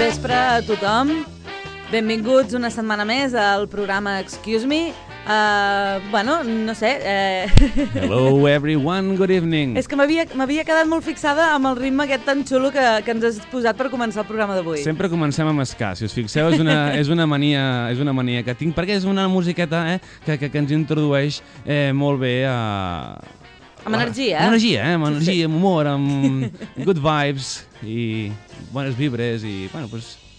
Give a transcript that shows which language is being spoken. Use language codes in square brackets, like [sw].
[ca] A tothom, benvinguts una setmana més al programa Excuse Me. [en] Hello everyone, good evening. [ca] És que m'havia quedat molt fixada amb el ritme aquest tan xulo que ens has posat per començar el programa d'avui. Sempre comencem a mascar, si us fixeu, és una mania que tinc, perquè és una musiqueta que ens introdueix molt bé a... Amb energia. Amb energia, amb energia, amb humor, amb [en] good vibes [ca] i bones vibres i, bueno, doncs...